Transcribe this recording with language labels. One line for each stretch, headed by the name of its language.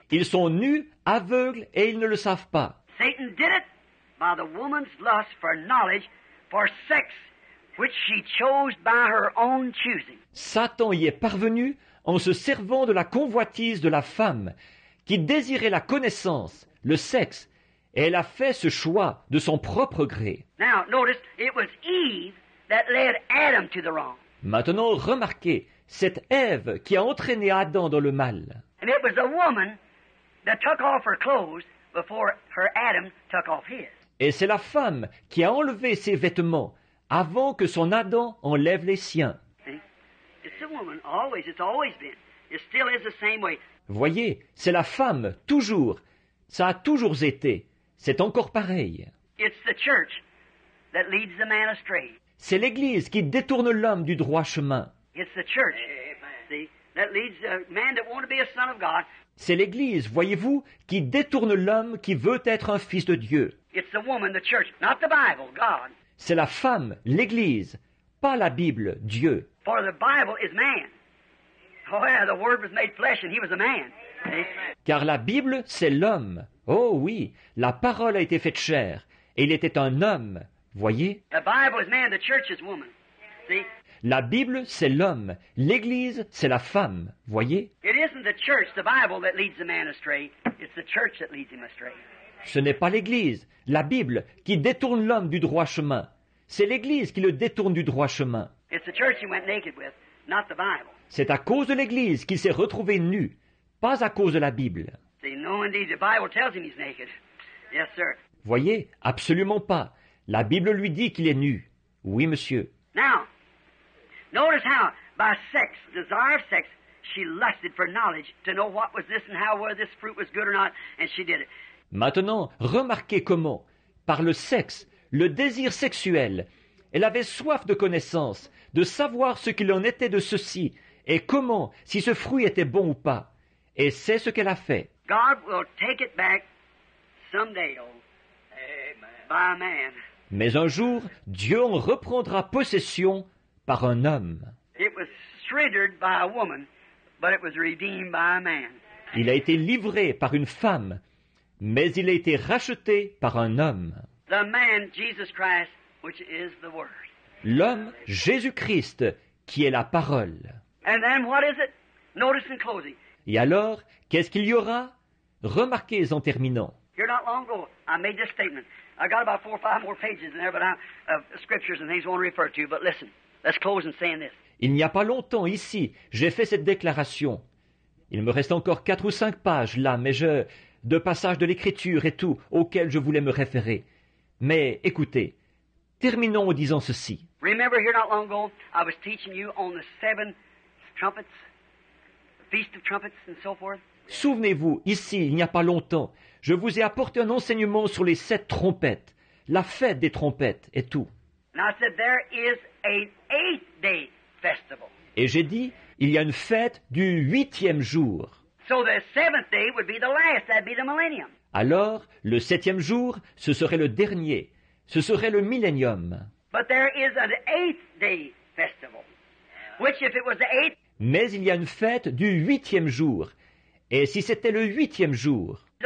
French: Ils sont nus, aveugles, et ils ne le savent pas.
English: Satan did it by the woman's lust for knowledge, for sex, which she chose by her own choosing.
French: Satan y est parvenu en se servant de la convoitise de la femme, qui désirait la connaissance, le sexe, et elle a fait ce choix de son propre gré.
English: Now, notice, it was Eve that led Adam to the wrong.
French: Maintenant, remarquez, c'est Ève qui a entraîné Adam dans le mal.
English: And it was a woman that took off her clothes before her Adam took off his.
French: Et c'est la femme qui a enlevé ses vêtements avant que son Adam enlève les siens.
English: See? It's a woman, always, it's always been. It still is the same way.
French: Voyez, c'est la femme, toujours. Ça a toujours été. C'est encore pareil.
English: It's the church that leads the man astray.
French: C'est l'Église qui détourne l'homme du droit chemin.
English: It's the church, see, that leads a man that wants to be a son of God.
French: C'est l'Église, voyez-vous, qui détourne l'homme qui veut être un fils de Dieu.
English: It's the woman, the church, not the Bible, God.
French: C'est la femme, l'Église, pas la Bible, Dieu.
English: For the Bible is man. Oh yeah, the Word was made flesh and he was a man.
French: Car la Bible, c'est l'homme. Oh oui, la parole a été faite chair, et il était un homme, voyez.
English: The Bible is man, the church is woman. See?
French: La Bible, c'est l'homme. L'Église, c'est la femme, voyez.
English: It isn't the church, the Bible, that leads the man astray. It's the church that leads him astray.
French: Ce n'est pas l'Église, la Bible, qui détourne l'homme du droit chemin. C'est l'Église qui le détourne du droit chemin.
English: It's the church he went naked with, not the Bible.
French: C'est à cause de l'Église qu'il s'est retrouvé nu, pas à cause de la Bible.
English: See, no, indeed, the Bible tells him he's naked. Yes, sir.
French: Voyez, absolument pas. La Bible lui dit qu'il est nu. Oui, monsieur.
English: Now, notice how by sex, desire of sex, she lusted for knowledge to know what was this and how whether this fruit was good or not, and she did it.
French: Maintenant, remarquez comment, par le sexe, le désir sexuel, elle avait soif de connaissance, de savoir ce qu'il en était de ceci, et comment, si ce fruit était bon ou pas. Et c'est ce qu'elle a fait.
English: God will take it back someday, oh, by a man.
French: Mais un jour, Dieu en reprendra possession par un homme.
English: It was surrendered by a woman, but it was redeemed by a man.
French: Il a été livré par une femme, mais il a été racheté par un homme.
English: The man, Jesus Christ, which is the Word.
French: L'homme, Jésus-Christ, qui est la parole.
English: And then what is it? Notice in closing.
French: Et alors, qu'est-ce qu'il y aura? Remarquez en terminant.
English: Here not long ago, I made this statement. I got about four or five more pages in there, but I have scriptures and things I want to refer to. But listen, let's close in saying this.
French: Il n'y a pas longtemps ici, j'ai fait cette déclaration. Il me reste encore quatre ou cinq pages là, mais je... de passages de l'Écriture et tout, auxquels je voulais me référer. Mais écoutez, terminons en disant ceci.
English: Remember here not long ago, I was teaching you on the seven trumpets. Feast of trumpets and so forth.
French: Souvenez-vous, ici, il n'y a pas longtemps, je vous ai apporté un enseignement sur les sept trompettes, la fête des trompettes et tout.
English: And I said, there is an eighth day festival.
French: Et j'ai dit, il y a une fête du huitième jour.
English: So the seventh day would be the last, that'd be the millennium.
French: Alors, le septième jour, ce serait le dernier, ce serait le millénium.
English: But there is an eighth day festival, which if it was the eighth...
French: Mais il y a une fête du huitième jour. Et si c'était le huitième jour?